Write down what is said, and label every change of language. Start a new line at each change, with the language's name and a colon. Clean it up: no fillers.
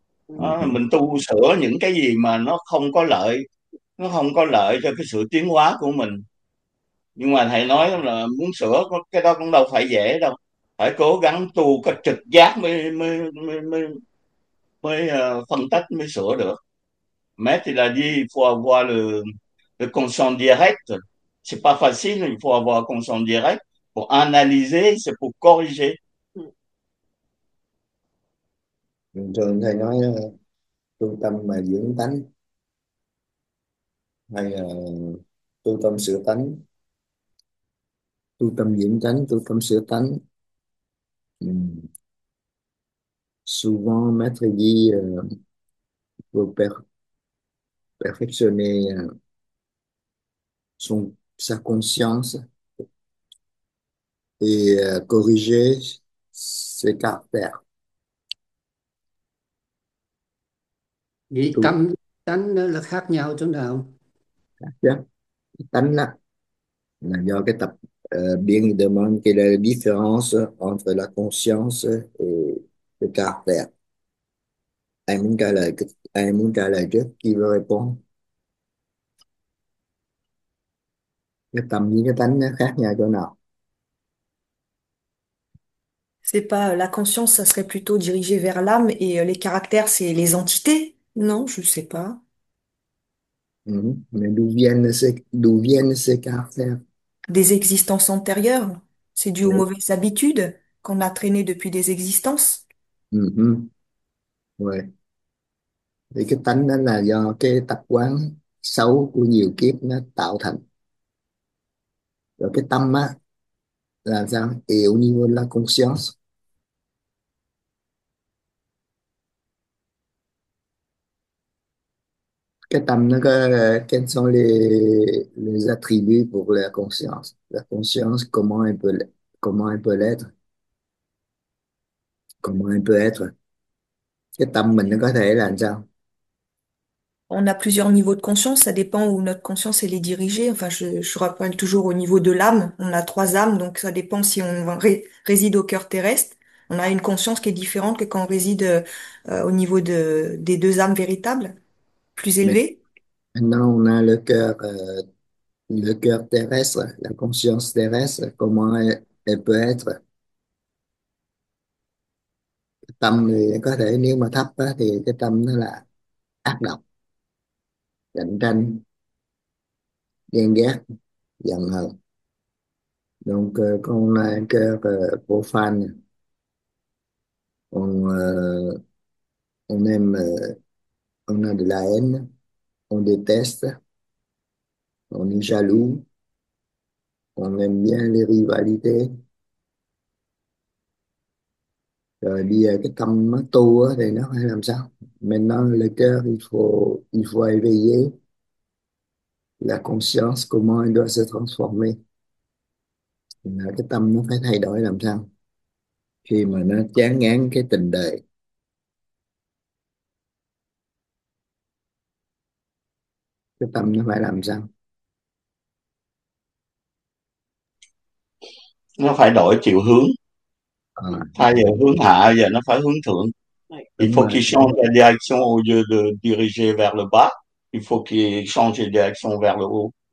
Vietnamese: Đó, mình tu sửa những cái gì mà nó không có lợi cho cái sự tiến hóa của mình. Nhưng mà thầy nói là muốn sửa cái đó cũng đâu phải dễ đâu, phải cố gắng tu có trực giác mới mới mới mới, mới, phân tích mới sửa được.
French: Mais il a dit il faut avoir le conscient direct. C'est pas facile, il faut avoir conscient direct pour analyser, c'est pour corriger.
Vietnamese: Thường thường thầy nói tu tâm mà dưỡng tánh, hay là tu tâm sửa tánh, tu tâm dưỡng tánh, tu tâm sửa tánh.
French: Souvent maître dit pour perfectionner sa conscience et corriger ses caractères.
Vietnamese: Vậy tâm tánh nó là khác nhau chỗ nào? Tánh là do cái tập
French: bien demande quelle est la différence entre la conscience et le caractère.
Vietnamese: Ai muốn trả lời trước,
French: qui veut répondre?
Vietnamese: Cái tâm với cái tánh nó khác nhau chỗ nào?
French: C'est pas la conscience, ça serait plutôt dirigé vers l'âme et les caractères, c'est les entités. Non, je ne sais pas. Mais d'où viennent ces caractères? Des existences antérieures, c'est dû aux Oui. mauvaises habitudes qu'on a traînées depuis des existences. Oui.
Vietnamese: Thì cái tánh đó là do cái tập quán xấu của nhiều kiếp nó tạo thành. Rồi cái tâm á là sao? Yếu như là conscience. Cái tâm nó có,
French: quels sont les attributs pour la conscience? La conscience, comment elle peut l'être? Comment elle peut être?
Vietnamese: Cái tâm mình nó có thể làm sao?
French: On a plusieurs niveaux de conscience, ça dépend où notre conscience elle est dirigée. Enfin, je rappelle toujours au niveau de l'âme, on a trois âmes, donc ça dépend si on réside au cœur terrestre. On a une conscience qui est différente que quand on réside au niveau des deux âmes véritables, plus élevées. Maintenant, on a le cœur terrestre, la conscience terrestre, comment elle peut être.
Vietnamese: Tâm thì có thể nếu mà thấp á, thì cái tâm nó là ác độc, cạnh tranh, ghen ghét, giận hờn.
French: Donc, con là cœur profane. On aime, on a de la haine. On déteste, on est jaloux, on aime bien les rivalités.
Vietnamese: Rồi bây giờ cái tâm nó tu thì nó phải làm sao?
French: Maintenant le cœur, il faut éveiller la conscience, comment elle doit se transformer.
Vietnamese: Là cái tâm nó phải thay đổi làm sao? Khi mà nó chán ngán cái tình đời. Cái tâm nó phải làm sao? Nó phải đổi chiều hướng, À, thay vì hướng hạ giờ nó phải hướng đúng thượng. rồi,
French: Il faut qu'il change la direction au lieu de diriger vers le bas, il faut qu'il change la direction vers le haut.